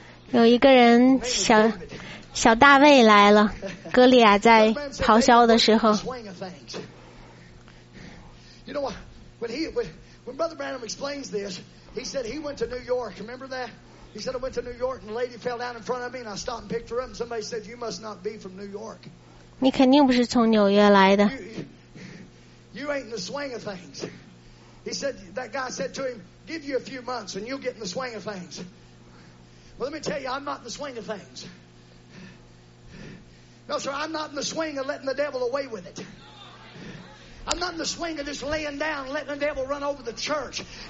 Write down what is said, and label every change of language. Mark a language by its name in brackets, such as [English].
[Chinese] 有一个人，小大卫来了，哥利亚在咆哮的时候。 [English] You know what? When Brother Branham explains this, he said he went to New York. Remember that? He said I went to New York and a lady fell down in front of me and I stopped and picked her up and somebody said you must not be from New York. [Chinese] 你肯定不是从纽约来的。 [English] You ain't in the swing of things. He said, that guy said to him, give you a few months and you'll get in the swing of things. Well, let me tell you, I'm not in the swing of things. No, sir, I'm not in the swing of letting the devil away with it. I'm not in the swing of just laying down, letting the devil run over the church.